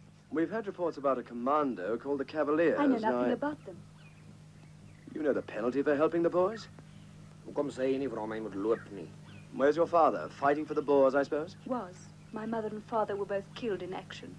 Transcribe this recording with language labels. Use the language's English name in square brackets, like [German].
[English] We've heard reports about a commando called the Cavaliers. I know nothing about them. You know the penalty for helping the boys? [Afrikaans] Hoekom sê jy nie vir hom hy moet loop nie? [English] Where's your father? Fighting for the Boers, I suppose? Was. My mother and father were both killed in action.